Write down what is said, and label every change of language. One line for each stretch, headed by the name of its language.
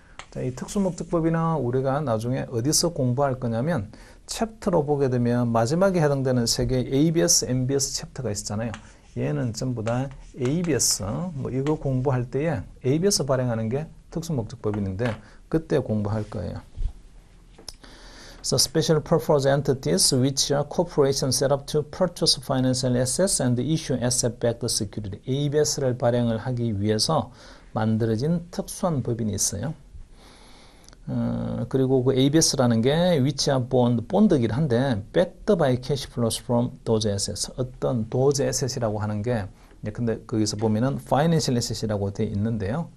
Korean: 자, 이 특수목적법인은 우리가 나중에 어디서 공부할 거냐면 챕터로 보게 되면 마지막에 해당되는 세계 ABS, MBS 챕터가 있잖아요. 얘는 전부 다 ABS 뭐 이거 공부할 때에 ABS 발행하는 게 특수목적법인인데 그때 공부할 거예요.
English: So special purpose entities which are corporations set up to purchase financial assets and issue asset-backed security.
Korean: ABS를 발행을 하기 위해서 만들어진 특수한 법인이 있어요. 그리고 그 ABS라는 게
English: which are bonded이긴 한데 backed by cash flows from those assets.
Korean: 어떤 those assets이라고 하는 게 근데 거기서 보면은 financial assets이라고 돼 있는데요.